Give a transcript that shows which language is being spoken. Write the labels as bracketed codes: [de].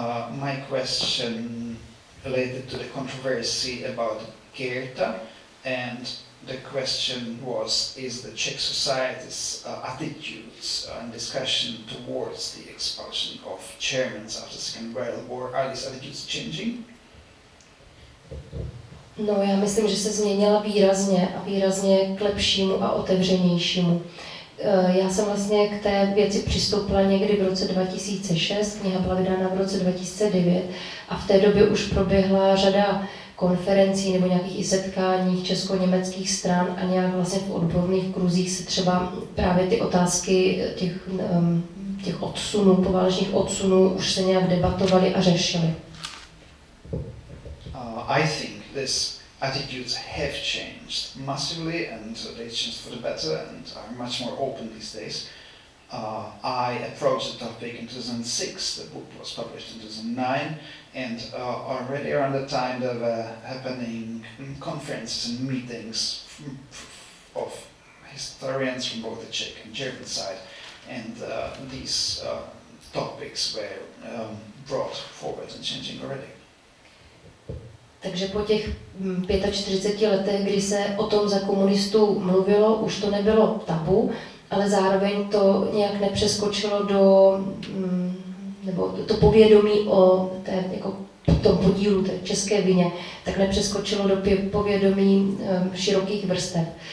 [en] My question related to the controversy about Goethe, and the question was, is the Czech society's attitudes and discussion towards the expulsion of Germans after the Second World War, are these attitudes changing? [cs] No, já myslím, že se změnila výrazně a výrazně k lepšímu a otevřenějšímu. Já jsem vlastně k té věci přistoupila někdy v roce 2006, kniha byla vydána v roce 2009 a v té době už proběhla řada konferencí nebo nějakých i setkání česko-německých stran a nějak vlastně v odborných kruzích se třeba právě ty otázky těch odsunů, poválečných odsunů už se nějak debatovaly a řešily. [en] I think this attitudes have changed massively, and they changed for the better, and are much more open these days. I approached the topic in 2006, the book was published in 2009, and already around the time there were happening conferences and meetings of historians from both the Czech and German side, and these topics were brought forward and changing already. [cs] Takže po těch 45 letech, kdy se o tom za komunistů mluvilo, už to nebylo tabu, ale zároveň to nějak nepřeskočilo do nebo to povědomí o té, jako tom podílu té české vině, tak nepřeskočilo do povědomí širokých vrstev.